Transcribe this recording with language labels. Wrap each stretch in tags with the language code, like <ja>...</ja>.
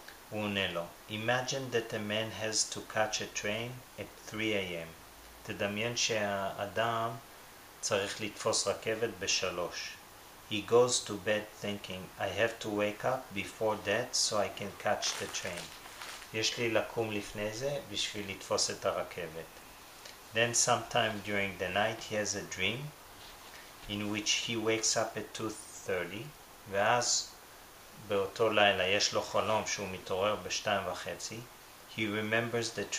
<he>הוא עונה לו,</he> <en>Imagine that a man has to catch a train at 3 AM.</en> <he>תדמיין שהאדם צריך לתפוס רכבת בשלוש.</he> <en>He goes to bed thinking, I have to wake up before that so I can catch the train.</en> <he>יש לי לקום לפני זה בשביל לתפוס את הרכבת.</he> <en>Then sometime during the night he has a dream in which he wakes up at 2:30</en> <he>ואז באותו לילה יש לו חלום שהוא מתעורר ב-2:30</he> <en>he remembers</en>